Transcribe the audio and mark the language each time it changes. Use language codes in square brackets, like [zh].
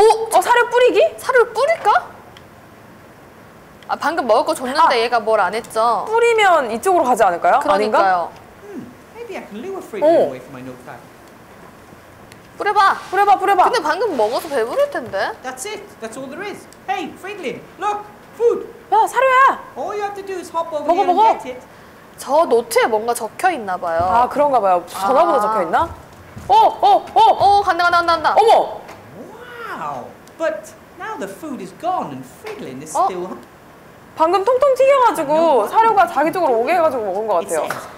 [ko] 어, 사료 뿌리기? 사료를 뿌릴까? 아, 방금 먹을 거 줬는데 얘가 뭘 안 했죠? 뿌리면 이쪽으로 가지 않을까요? 그러니까요. 아닌가? 오. 뿌려봐. 근데 방금 먹어서 배부를 텐데. [en] That's it. That's all there is. Hey, Friedlin, look. food. [ko] 야, 사료야. [en] All you have to do is hop over here and get it. [ko] 저 노트에 뭔가 적혀 있나 봐요. 아, 그런가 봐요. 전화번호 아. 적혀 있나? 간다. 어머. [en] Wow. But now the food is gone and Fridlin is still. [ko] 방금 통통 튀겨가지고 사료가 자기 쪽으로 오게 해가지고 먹은 것 같아요.